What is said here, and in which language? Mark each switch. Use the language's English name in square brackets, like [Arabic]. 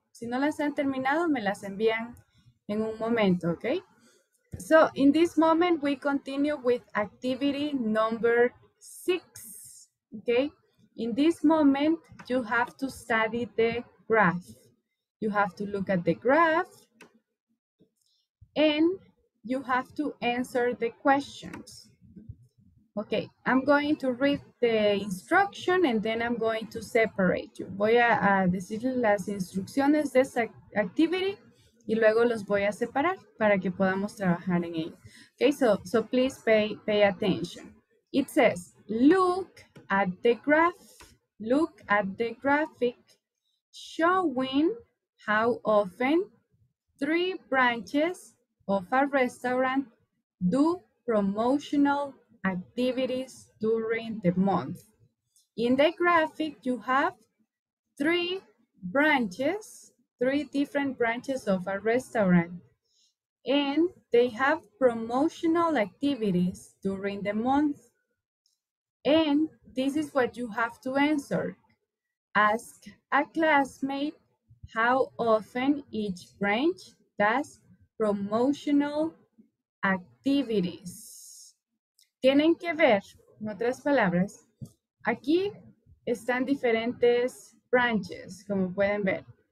[Spanish] Si no las han terminado, me las envían en un momento, okay? [English] So, in this moment, we continue with activity number 6, okay? In this moment, you have to study the graph. You have to look at the graph, and you have to answer the questions. Okay, I'm going to read the instruction and then I'm going to separate you. [Spanish] Voy a decir las instrucciones de esa activity y luego los voy a separar para que podamos trabajar en ello. [English] Okay, so please pay attention. It says, look at the graph, look at the graphic showing how often 3 branches of a restaurant do promotional activities during the month. In the graphic, you have 3 branches three different branches of a restaurant, and they have promotional activities during the month. And this is what you have to answer. Ask a classmate how often each branch does promotional activities. [Spanish] Tienen que ver, en otras palabras, aquí están diferentes branches, como pueden ver.